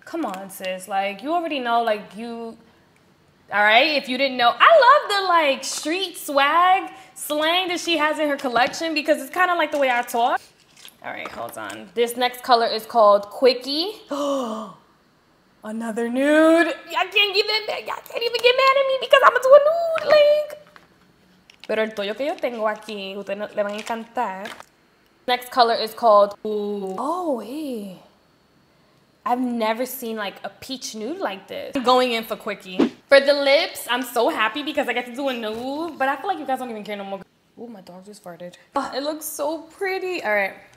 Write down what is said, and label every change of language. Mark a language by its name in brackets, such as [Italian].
[English] Come on, sis, like you already know, like you, all right, if you didn't know, I love the like street swag slang that she has in her collection because it's kind of like the way I talk. All right, hold on. This next color is called Quickie. Another nude. Y'all can't get mad at me. Y'all can't even get mad at me because I'm gonna do a nude, like. [Spanish] Pero el toyo que yo tengo aquí, ustedes le van a encantar. [English] Next color is called, ooh. Oh, hey. I've never seen like a peach nude like this. I'm going in for Quickie. For the lips, I'm so happy because I get to do a nude, but I feel like you guys don't even care no more. Ooh, my dog just farted. Oh, it looks so pretty. All right.